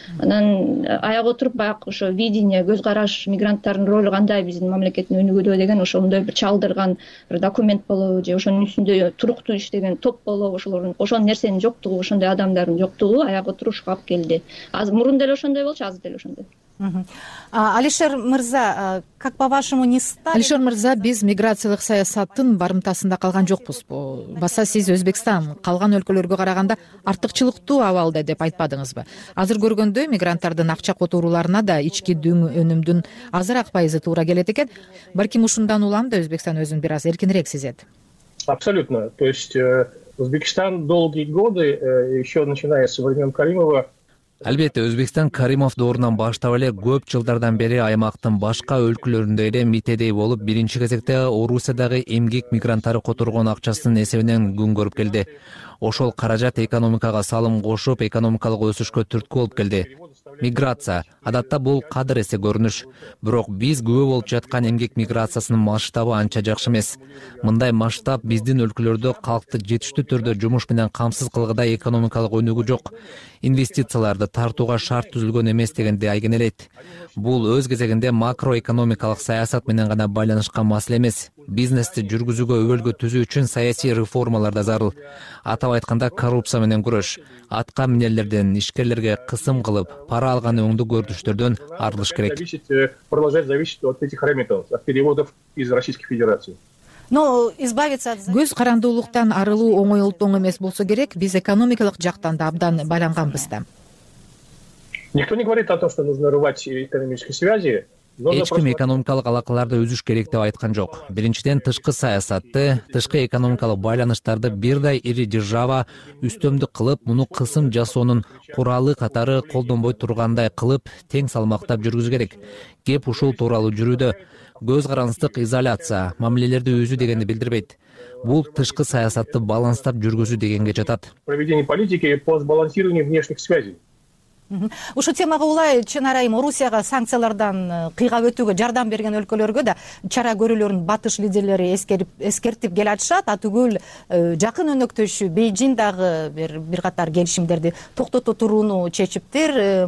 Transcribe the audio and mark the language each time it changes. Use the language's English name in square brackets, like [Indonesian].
[Kyrgyz] Анан аяк отуруп баягы ошо видение, көз караш, мигранттардын ролу кандай биздин мамлекеттин өнүгүүдө деген ошондой бир чалдырган бир документ болобу, же ошонун үстүндө туруктуу иштеген топ болобу, ошол нерсенин жоктугу, ошондой адамдардын жоктугу аяк отуруп ушуга алып келди. Азыр мурун деле ошондой болчу, азыр деле ошондой. [Russian] Алишер мырза, как по вашему не стали? [Kyrgyz] Алишер мырза, биз миграциялык саясаттын барымтасында калган жокпузбу? Баса сиз Өзбекстан калган өлкөлөргө караганда артыкчылыктуу абалда деп айтпадыңызбы? Азыр көргөндөй мигранттардын акча которууларына да ички дүң өнүмдүн азыраак пайызы туура келет экен. Балким ушундан улам да Өзбекстан өзүн бир аз эркинирээк сезет. [Russian] Абсолютно. То есть Өзбекстан долгие годы, еще начиная со времен Каримова. [Kyrgyz] Албетте, Өзбекстан Каримов доорунан баштап эле көп жылдардан бери аймактын башка өлкөлөрүндө эле митедей болуп, биринчи кезекте Орусиядагы эмгек мигранттары которгон акчасынын эсебинен күн көрүп келди. Ошол каражат экономикага салым кошуп, экономикалык өсүшкө түрткү болуп келди. Миграция адатта бул кадыр эсе көрүнүш, бирок биз күбө болуп жаткан эмгек миграциясынын масштабы анча жакшы эмес. Мындай масштаб биздин өлкөлөрдө калкты жетиштүү түрдө жумуш менен камсыз кылгыда экономикалык өнүгүү жок. Инвестицияларды тартууга шарт түзүлгөн эмес дегенди айгинелейт. Бул өз кезегинде макроэкономикалык саясат менен гана байланышкан маселе эмес. Бизнести жүргүзүүгө өбөлгө түзүү үчүн саясий реформалар да зарыл. Атап айтканда коррупция менен күрөш, атка минерлерден ишкерлерге кысым кылып, пара алган өңдүү көрүнүштөрдөн арылыш керек. [Russian] Продолжать зависеть от этих ремитансов, от переводов из Российской Федерации. [Kyrgyz] Көз карандуулуктан арылуу оңой олтоң эмес болсо керек, биз экономикалык жактан да абдан байланганбыз да. [Russian] Никто не говорит о том, что нужно рвать экономические связи. [Kyrgyz] Эч ким экономикалык алакаларды үзүш керек деп айткан жок. Биринчиден, тышкы саясатты, тышкы экономикалык байланыштарды бирдей ири держава үстөмдүк кылып, муну кысым жасоонун куралы катары колдонбой тургандай кылып, тең салмактап жүргүзүү керек. Кеп ушул тууралуу жүрүүдө. Көз карандык изоляция мамилелерди үзүү дегенди билдирбейт. Бул тышкы саясатты баланстап жүргүзүү дегенге жатат. [Russian] Проведение политики по сбалансированию внешних связей. [Kyrgyz] Ушу темага улай чынарайым Орусияга санкциялардан кыйгап өтүүгө жардам берген өлкөлөргө да чара көрүүлөрүн батыш лидерлери эскертип келатышат. Атүгүл жакын өнөктөшү Бейжин дагы бир катар келишимдерди токтото турууну чечиптир.